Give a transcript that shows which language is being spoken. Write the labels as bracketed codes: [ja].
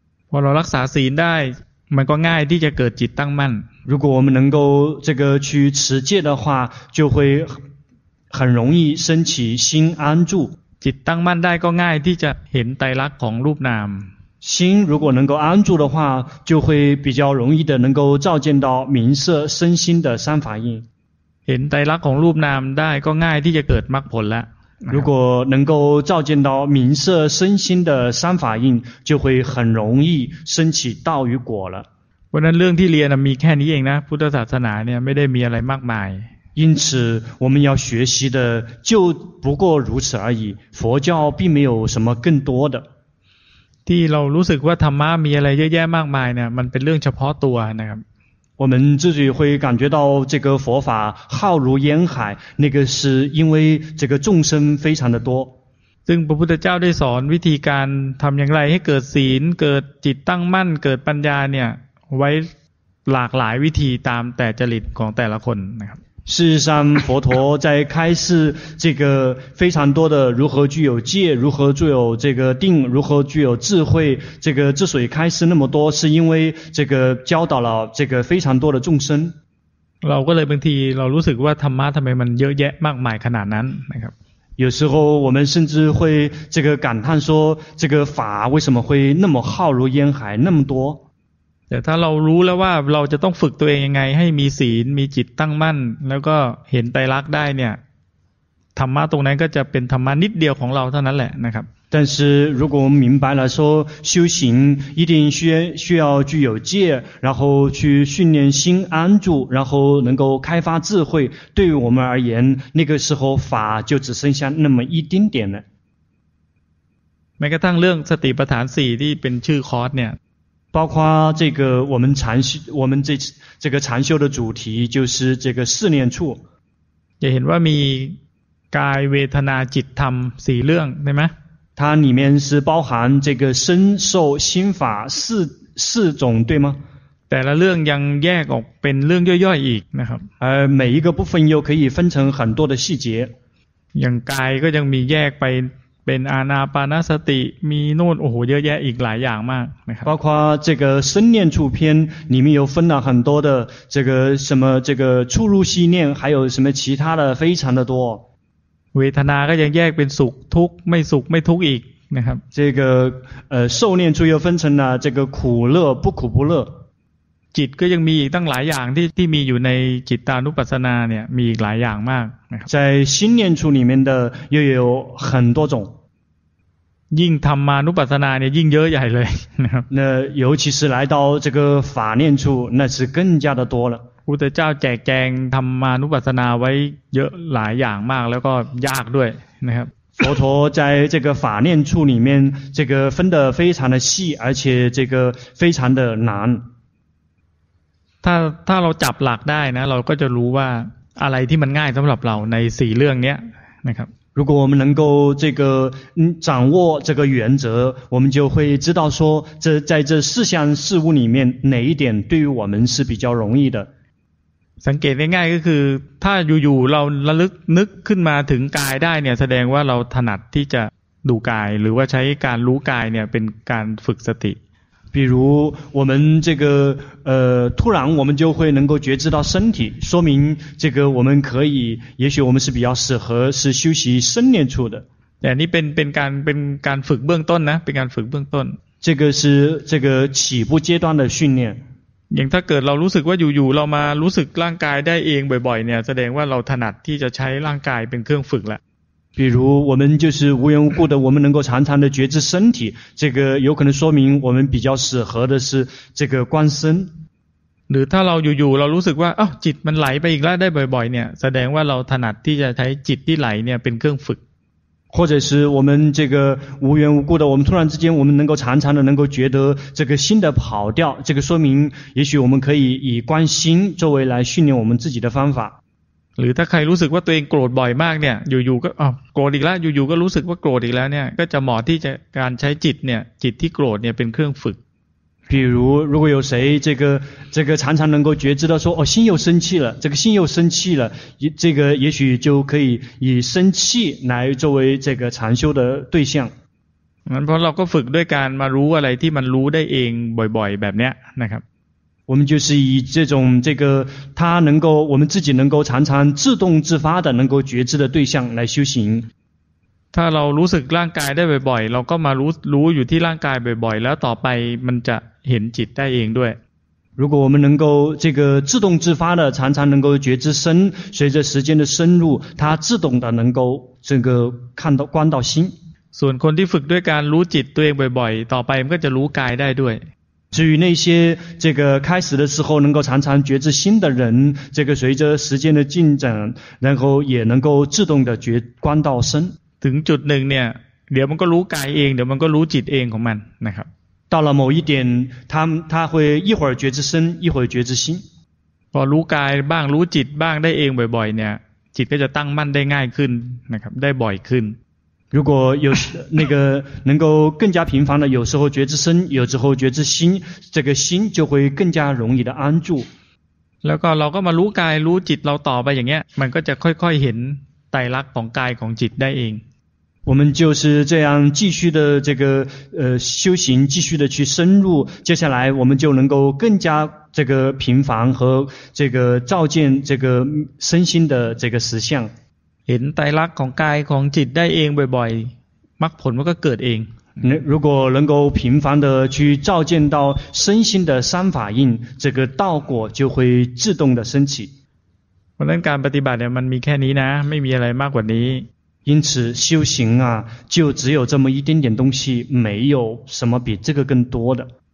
[th] พอเรารักษาศีลได้มันก็ง่ายที่จะเกิดจิตตั้งมั่น [zh] 如果我们能够这个去持戒的话就会很容易升起心安住 [th] จิตตั้งมั่นได้ก็ง่ายที่จะเห็นไตรลักษณ์ของรูปนาม [zh] 心如果能够安住的话就会比较容易的能够照见到名色身心的三法印 [th] เห็นไตรลักษณ์ของรูปนามได้ก็ง่ายที่จะเกิดมรรคผลแล้ว [zh] 如果能够照见到名色身心的三法印就会很容易升起道与果了 [th] เพราะนั้นเรื่องที่เรียนมีแค่นี้เองนะพุทธศาสนาเนี่ยไม่ได้มีอะไรมากมาย [zh] 因此我们要学习的就不过如此而已佛教并没有什么更多的 [th] ที่เรารู้สึกว่าธรรมะมีอะไรเยอะแยะมากมายเนี่ยมันเป็นเรื่องเฉพาะตัวนะครับ [zh] 我们自己会感觉到这个佛法浩如烟海那个是因为这个众生非常的多 [th] ซึ่งพระพุทธเจ้าได้สอนวิธีการทำอย่างไรให้เกิดศีลเกิดจิตตั้งมั่นเกิดปัญญาเนี่ยไว้หลากหลายวิธีตามแต่จริตของแต่ละคนนะครับ [zh] 事实上佛陀在开示这个非常多的如何具有戒如何具有这个定如何具有智慧这个之所以开示那么多是因为这个教导了这个非常多的众生 [th] เราก็เลยบางทีเรารู้สึกว่าธรรมะทำไมมันเยอะแยะมากมายขนาดนั้นนะครับ [zh] 有时候我们甚至会这个感叹说这个法为什么会那么浩如烟海那么多 [th] แต่ถ้าเรารู้แล้วว่าเราจะต้องฝึกตัวเองยังไงให้มีศีลมีจิตตั้งมั่นแล้วก็เห็นไตรลักษณ์ได้เนี่ยธรรมะตรงนั้นก็จะเป็นธรรมะนิดเดียวของเราเท่านั้นแหละนะครับ [zh] 但是如果我们明白了说修行一定需要具有戒然后去训练心安住然后能够开发智慧对于我们而言那个时候法就只剩下那么一丁点了 [th] แม้กระทั่งเรื่องสติปัฏฐาน4ที่เป็นชื่อคอร์สเนี่ย [zh] 包括这个我们禅修，我们这个禅修的主题就是这个四念处。也 [th] เห็นว่ามีกายเวทนาจิตธรรมสี่เรื่องใช่ไหม？ [zh] 它里面是包含这个身受心法四种，对吗？ [th] แต่ละเรื่องยังแยกออกเป็นเรื่องย่อยๆ อีกนะครับ。 [zh] 而每一个部分又可以分成很多的细节。 [th] อย่างกายก็ยังมีแยกไปเป็นอานาปานสติมีโน่นโอ้โหเยอะแยะอีกหลายอย่างมากนะครับ [zh] 包括这个身念处篇里面有分了很多的这个什么这个出入息念还有什么其他的非常的多 [th] เวทนาก็ยังแยกเป็นสุขทุกข์ไม่สุขไม่ทุกข์อีกนะครับ [zh] 这个受念处又分成了这个苦乐不苦不乐 [th] จิตก็ยังมีอีกตั้งหลายอย่างที่มีอยู่ในจิตตานุปัสสนาเนี่ยมีอีกหลายอย่างมากนะครั [zh] บ在心念处里面的又有很多种 [th] ยิ่งธรรมานุปัสสนาเนี่ยยิ่งเยอะใหญ่เลยนะครับ [zh] 那尤其是来到这个法念处那是更加的多了 [th] พุทธเจ้าแจกแจงธรรมานุปัสสนาไว้เยอะหลายอย่างมากแล้วก็ยากด้วยนะครับ [zh] 佛陀在这个法念处里面这个分得非常的细而且这个非常的难 [th] ถ้าเราจับหลักได้นะเราก็จะรู้ว่าอะไรที่มันง่ายสำหรับเราในสี่เรื่องนี้นะครับ [zh] 如果我们能够这个掌握这个原则我们就会知道说这在这四项事物里面哪一点对于我们是比较容易的 [th] สังเกตง่ายก็คือถ้าอยู่ๆเราระลึกนึกขึ้นมาถึงกายได้เนี่ยแสดงว่าเราถนัดที่จะดูกายหรือว่าใช้การรู้กายเนี่ยเป็นการฝึกสติ [zh] 比如我们这个突然我们就会能够觉知到身体说明这个我们可以也许我们是比较适合是修习身念处的 [th] แต่นี่เป็นการฝึกเบื้องต้นนะเป็นการฝึกเบื้องต้น [zh] 这个是这个起步阶段的训练 [th] อย่างถ้าเกิดเรารู้สึกว่าอยู่ๆเรามารู้สึกร่างกายได้เองบ่อยๆเนี่ยแสดงว่าเราถนัดที่จะใช้ร่างกายเป็นเครื่องฝึกละ [zh] 比如我们就是无缘无故的我们能够常常的觉知身体这个有可能说明我们比较适合的是这个观身 [th] หรือถ้าเราอยู่ๆเรารู้สึกว่าอ้าวจิตมันไหลไปอีกแล้วได้บ่อยๆเนี่ยแสดงว่าเราถนัดที่จะใช้จิตที่ไหลเนี่ยเป็นเครื่องฝึก [zh] 或者是我们这个无缘无故的，我们突然之间我们能够常常的能够觉得这个心的跑掉，这个说明也许我们可以以观心作为来训练我们自己的方法。 [th] หรือถ้าใครรู้สึกว่าตัวเองโกรธบ่อยมากเนี่ยอยู่ๆก็โกรธอีกแล้วอยู่ๆก็รู้สึกว่าโกรธอีกแล้วเนี่ยก็จะเหมาะที่จะการใช้จิตเนี่ยจิตที่โกรธเนี่ยเป็นเครื่องฝึก [zh] 比如如果有谁这个常常能够觉知到说哦心又生气了，这个心又生气了，这个也许就可以以生气来作为这个禅修的对象。 [th] เพราะเราก็ฝึกด้วยการมารู้อะไรที่มันรู้ได้เองบ่อยๆแบบเนี้ยนะครับ [zh] 我们就是以这种这个他能够我们自己能够常常自动自发的能够觉知的对象来修行。 [th] ถ้าเรารู้สึกร่างกายได้บ่อยๆเราก็มารู้อยู่ที่ร่างกายบ่อยๆแล้วต่อไปมันจะเห็นจิตได้เองด้วย [zh] 如果我们能够这个自动自发的常常能够觉知身，随着时间的深入，它自动的能够这个看到观到心。 [th] ส่วนคนที่ฝึกด้วยการรู้จิตตัวเองบ่อยๆต่อไปมันก็จะรู้กายได้ด้วย [zh] 至于那些这个开始的时候能够常常觉知心的人，这个随着时间的进展，然后也能够自动的觉观到身。 [th] ถึงจุดหนึ่งเนี่ยเดี๋ยวมันก็รู้กายเองเดี๋ยวมันก็รู้จิตเองของมันนะครับ [zh] 到了某一点他会一会儿觉知身一会儿觉知心 [th] พอรู้กายบ้างรู้จิตบ้างได้เองบ่อยๆเนี่ยจิตก็จะตั้งมั่นได้ง่ายขึ้นนะครับได้บ่อยขึ้น [zh] 如果有那个能够更加频繁的有时候觉知身有时候觉知心这个心就会更加容易的安住 [th] แล้วก็เราก็มารู้กายรู้จิตเราต่อไปอย่างเงี้ยมันก็จะค่อยๆเห็นไตรลักษณ์ของกายของจิตได้เอง [zh] 我们就是这样继续的这个修行，继续的去深入，接下来我们就能够更加这个频繁和这个照见这个身心的这个实相。 [th] เห็นไตรลักษณ์ของกายของจิตได้เองบ่อยๆ มรรคผลมันก็เกิดเอง [zh] 如果能够频繁的去照见到身心的三法印，这个道果就会自动的升起。 [th] เพราะนั้นการปฏิบัติเนี่ยมันมีแค่นี้นะไม่มีอะไรมากกว่านี้ [zh] 因此修行啊就只有这么一点点东西没有什么比这个更多的